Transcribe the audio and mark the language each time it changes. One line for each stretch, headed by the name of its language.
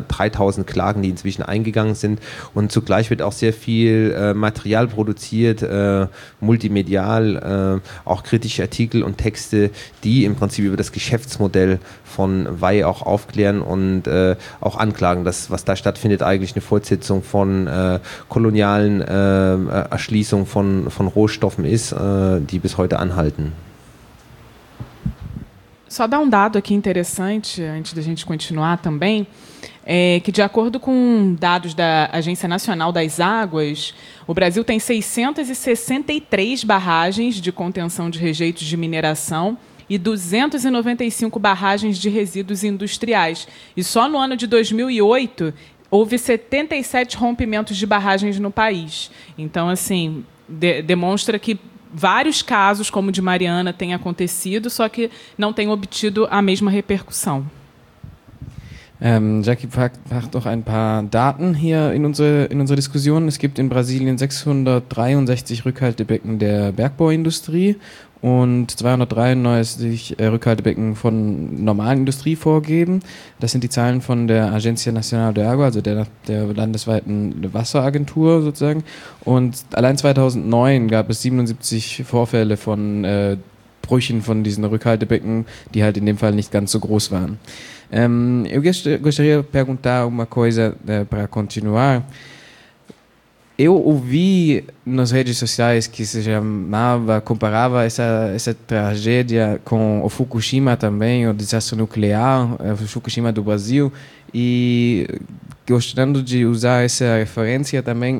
German: 3000 Klagen, die inzwischen eingegangen sind. Und zugleich wird auch sehr viel Material produziert, multimedial, auch kritische Artikel und Texte, die im Prinzip über das Geschäftsmodell von Vale auch aufklären und auch anklagen, dass was da stattfindet, eigentlich eine Fortsetzung von kolonialen Erschließung von Rohstoffen ist, die bis heute anhalten.
Portuguese: Só dar um dado aqui interessante, antes da gente continuar também, é que, de acordo com dados da Agência Nacional das Águas, o Brasil tem 663 barragens de contenção de rejeitos de mineração e 295 barragens de resíduos industriais. E só no ano de 2008 houve 77 rompimentos de barragens no país. Então, assim, demonstra que vários casos, como o de Mariana, têm acontecido, só que não têm obtido a mesma repercussão.
German: Jackie packt noch ein paar Daten hier in unsere Diskussion. Es gibt in Brasilien 663 Rückhaltebecken der Bergbauindustrie und 293 Rückhaltebecken von normalen Industrie vorgeben. Das sind die Zahlen von der Agência Nacional de Água, also der landesweiten Wasseragentur sozusagen. Und allein 2009 gab es 77 Vorfälle von Brüchen von diesen Rückhaltebecken, die halt in dem Fall nicht ganz so groß waren.
Portuguese: Eu gostaria de perguntar uma coisa para continuar. Eu ouvi nas redes sociais que se chamava, comparava essa tragédia com o Fukushima também, o desastre nuclear, Fukushima do Brasil, e gostando de usar essa referência também.